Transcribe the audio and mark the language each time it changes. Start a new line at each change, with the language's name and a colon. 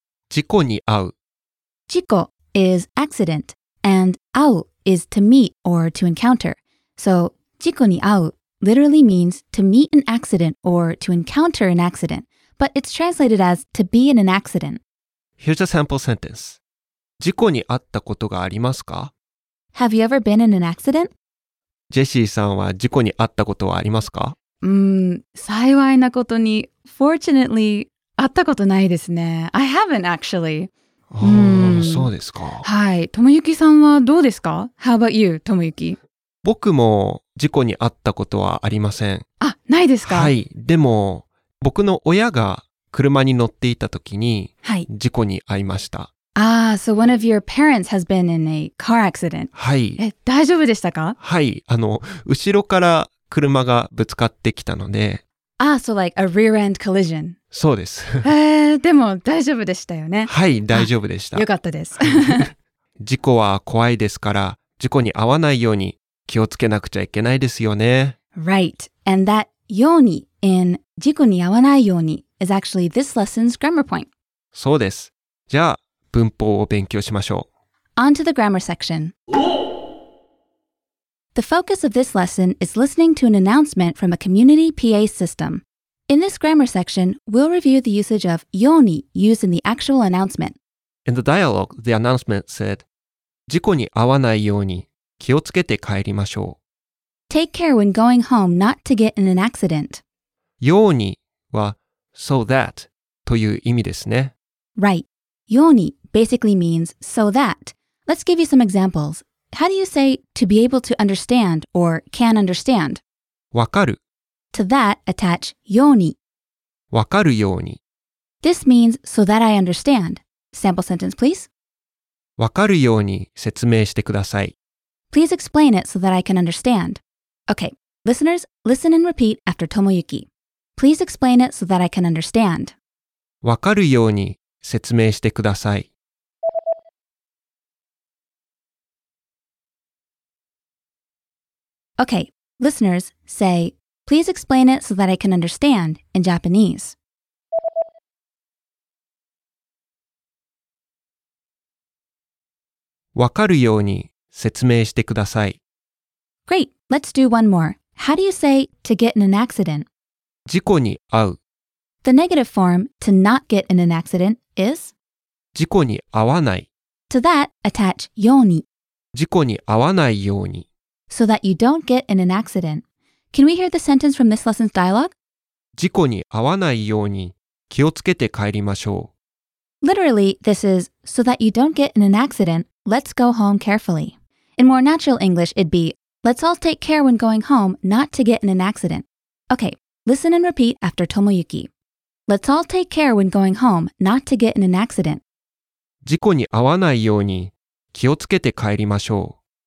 Japanese: 事故に遭う
English: 事故 is accident, and 遭う is to meet or to encounter. So 事故に遭う literally means to meet an accident or to encounter an accident. But it's translated as to be in an accident. Here's a sample sentence.
Japanese: 事故に遭ったことがありますか?
English: Have you ever been in an accident?
Japanese: ジェシーさんは事故に遭ったことはありますか? 幸いなことに、
English: fortunately,
Japanese: 遭ったことないですね。
English: I haven't actually.
Japanese: そうですか。はい。ともゆきさんはどうですか?
English: How about you, ともゆき?
Japanese: 僕も事故に遭ったことはありません。あ、ないですか? はい。でも、僕の親が車に乗っていた時に事故に遭いました。
English: はい、ああ、so one of your parents has been in a car accident.
Japanese: はい。え、大丈夫でしたか? はい。あの、後ろから車がぶつかってきたので。
English: ああ、so like a rear-end collision.
Japanese: そうです。でも大丈夫でしたよね。はい、大丈夫でした。よかったです。事故は怖いですから、事故に遭わないように気をつけなくちゃいけないですよね。
English: Right. And that yōni in
Japanese: 事故に遭わないように
English: is actually this lesson's grammar point.
Japanese: そうです。じゃあ、文法を勉強しましょう。
English: On to the grammar section. The focus of this lesson is listening to an announcement from a community PA system. In this grammar section, we'll review the usage of yōni used in the actual announcement. In the dialogue, the announcement said,
Japanese: 事故に遭わないように気をつけて帰りましょう。
English: Take care when going home not to get in an accident.
Japanese: ようには
English: so that
Japanese: という意味ですね。
English: Right. ように basically means so that. Let's give you some examples. How do you say to be able to understand or can understand?
Japanese: わかる。
English: To that attach ように。
Japanese: わかるように。
English: This means so that I understand. Sample sentence, please.
Japanese: わかるように説明してください。
English: Please explain it so that I can understand. Okay. Listeners, listen and repeat after Tomoyuki. Please explain it so that I can understand.
Japanese: わかるように説明してください。
English: Okay, listeners, say, Please explain it so that I can understand in Japanese.
Japanese: わかるように説明してください。
English: Great, let's do one more. How do you say to get in an accident?
Japanese: 事故に遭う。
English: The negative form to not get in an accident is?
Japanese: 事故に遭わない。
English: To that, attach yōni.
Japanese: 事故に遭わないように。
English: So that you don't get in an accident. Can we hear the sentence from this lesson's dialogue?
Japanese: 事故に遭わないように気をつけて帰りましょう。
English: Literally, this is so that you don't get in an accident. Let's go home carefully. In more natural English, it'd be, let's all take care when going home not to get in an accident. Okay, listen and repeat after Tomoyuki. Let's all take care when going home not to get in an accident.
Japanese: 事故に遭わないように気をつけて帰りましょう。